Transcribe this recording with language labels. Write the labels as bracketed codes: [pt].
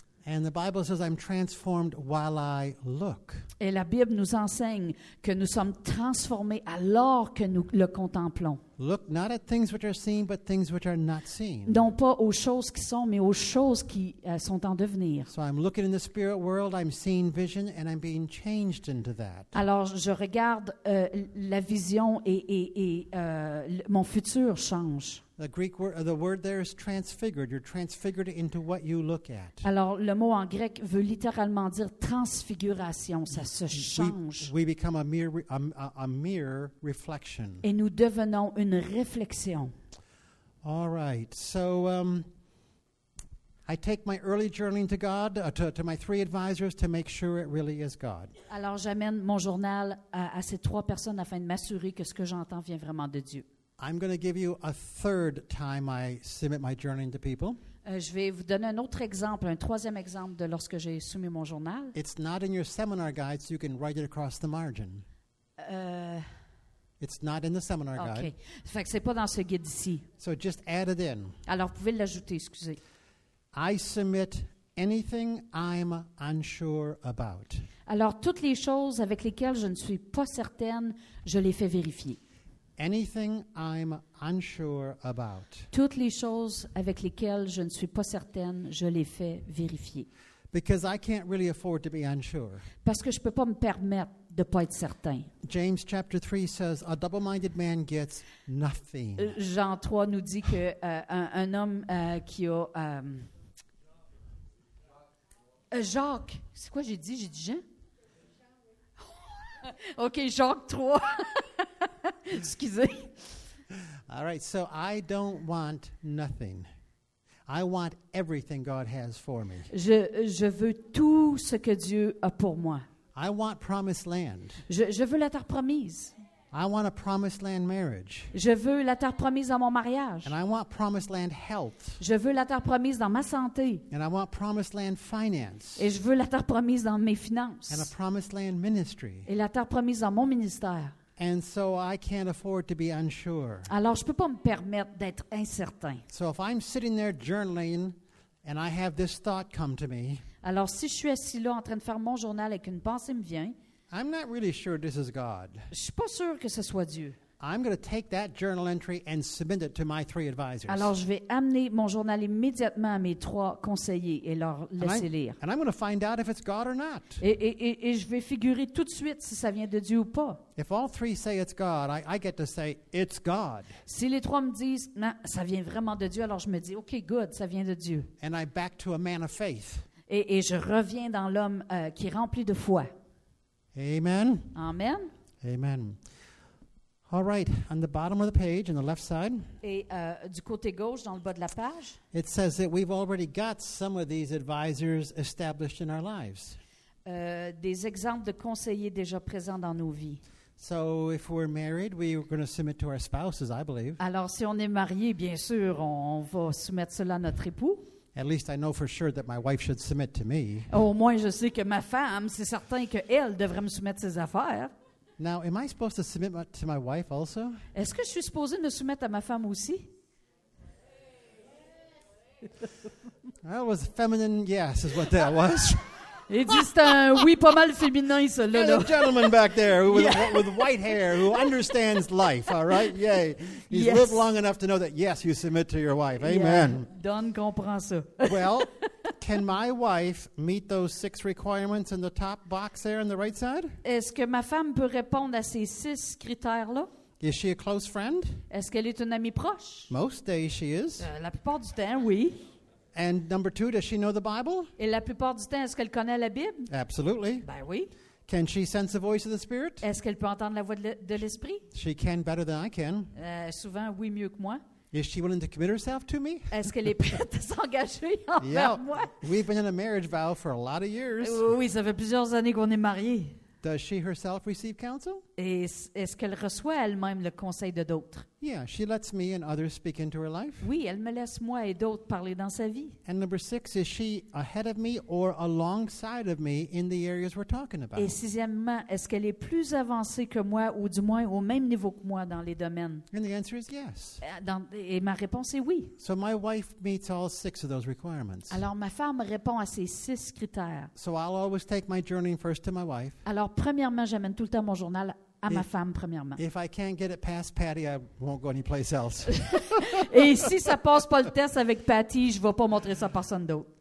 [en] And the Bible says I'm transformed while I look. [fr] Et la Bible nous enseigne que nous sommes transformés alors que nous le contemplons. [en] Look not at things which are seen, but things which are not seen. [fr] Non pas aux choses qui sont, mais aux choses qui sont en devenir. [en] So I'm looking in the spirit world, I'm seeing vision, and I'm being changed into that. [fr] Alors je regarde la vision et mon futur change. [en] The Greek word, the word there is transfigured. You're transfigured into what you look at. [fr] Alors, le mot en grec veut littéralement dire transfiguration. Ça se change. [en] We become a mere reflection. [fr] Et nous devenons une réflexion. [en] All right. So, I take my early journaling to God, to my three advisors, to make sure it really is God. [fr] Alors, j'amène mon journal à ces trois personnes afin de m'assurer que ce que j'entends vient vraiment de Dieu. [en] I'm going to give you a third time I submit my journaling to people. [fr] Je vais vous donner un autre exemple, un troisième exemple de lorsque j'ai soumis mon journal. [en] It's not in your seminar guide, so you can write it across the margin. It's not in the seminar guide. Okay. [fr] Fait que c'est pas dans ce guide ici. [en] So just add it in. [fr] Alors, vous pouvez l'ajouter, excusez. [en] I submit anything I'm unsure about. [fr] Alors, toutes les choses avec lesquelles je ne suis pas certaine, je les fais vérifier. [en] Anything I'm unsure about. [fr] Toutes les choses avec lesquelles je ne suis pas certaine, je les fais vérifier. [en] Because I can't really afford to be unsure. [fr] Parce que je peux pas me permettre de pas être certain. [en] James chapter 3 says a double-minded man gets nothing. [fr] Jean 3 nous dit que un homme qui a Jacques, c'est quoi j'ai dit? J'ai dit Jean. OK, Jacques 3. Excusez. [en] All right, so I don't want nothing. I want everything God has for me. [fr] Je veux tout ce que Dieu a pour moi. [en] I want promised land. [fr] Je veux la terre promise. [en] I want a promised land marriage. [fr] Je veux la terre promise dans mon mariage. [en] And I want promised land health. [fr] Je veux la terre promise dans ma santé. [en] And I want promised land finance. [fr] Et je veux la terre promise dans mes finances. [en] And a promised land ministry. [fr] Et la terre promise dans mon ministère. [en] And so I can't afford to be unsure. [fr] Alors je peux pas me permettre d'être incertain. [en] So if I'm sitting there journaling and I have this thought come to me. [fr] Alors si je suis assis là en train de faire mon journal et qu'une pensée me vient. [en] I'm not really sure this is God. [fr] Je suis pas sûr que ce soit Dieu. [en] I'm going to take that journal entry and submit it to my three advisors. [fr] Alors je vais amener mon journal immédiatement à mes trois conseillers et leur laisser lire. [en] And I'm going to find out if it's God or not. [fr] Et je vais figurer tout de suite si ça vient de Dieu ou pas. [en] If all three say it's God, I get to say it's God. [fr] Si les trois me disent non, ça vient vraiment de Dieu, alors je me dis OK, good, ça vient de Dieu. [en] And I back to a man of faith. [fr] Et je reviens dans l'homme qui est rempli de foi. [en] Amen. [fr] Amen. [en] Amen. All right, on the bottom of the page, on the left side. [fr] Et du côté gauche, dans le bas de la page. [en] It says that we've already got some of these advisors established in our lives. [fr] Des exemples de conseillers déjà présents dans nos vies. [en] So if we're married, we're going to submit to our spouses, I believe. [fr] Alors si on est marié, bien sûr, on va soumettre cela à notre époux. [en] At least I know for sure that my wife should submit to me. [fr] Au moins je sais que ma femme, c'est certain qu'elle devrait me soumettre ses affaires. [en] Now, am I supposed to submit to my wife also? [fr] Est-ce que je suis supposé me soumettre à ma femme aussi? [en] That was a feminine yes, is what that was. [fr] Il dit c'est un oui pas mal féminin, ça, là. [en] There's a gentleman back there with white hair who understands life, all right? Yay. He's yes. Lived long enough to know that, yes, you submit to your wife. Amen. [fr] Yeah. Don comprend ça. [en] Well, Can my wife meet those six requirements in the top box there on the right side? [fr] Est-ce que ma femme peut répondre à ces six critères là? [en] Is she a close friend? [fr] Est-ce qu'elle est une amie proche? [en] Most days she is. [fr] La plupart du temps, oui. [en] And number two, does she know the Bible? [fr] Et la plupart du temps, est-ce qu'elle connaît la Bible? [en] Absolutely. [fr] Ben oui. [en] Can she sense the voice of the Spirit? [fr] Est-ce qu'elle peut entendre la voix de l'Esprit? [en] She can better than I can. [fr] Souvent, oui, mieux que moi. [en] Is she willing to commit herself to me? [fr] Est-ce qu'elle est prête à s'engager envers moi? [en] We've been in a marriage vow for a lot of years. [fr] Oui, ça fait plusieurs années qu'on est mariés. [en] Does she herself receive counsel? [fr] Est-ce qu'elle reçoit elle-même le conseil de d'autres? [en] Yeah, she lets me and others speak into her life. [fr] Oui, elle me laisse moi et d'autres parler dans sa vie. [en] And number six, is she ahead of me or alongside of me in the areas we're talking about? [fr] Et sixièmement, est-ce qu'elle est plus avancée que moi ou du moins au même niveau que moi dans les domaines? [en] And the answer is yes. [fr] Et ma réponse est oui. [en] So my wife meets all six of those requirements. [fr] Alors ma femme répond à ces six critères. [en] So I'll always take my journey first to my wife. [fr] Alors premièrement, j'amène tout le temps mon journal à ma femme, premièrement. [en] If I can't get it past Patty, I won't go anyplace else. [fr] Et si ça passe pas le test avec Patty, je vais pas montrer ça à personne d'autre.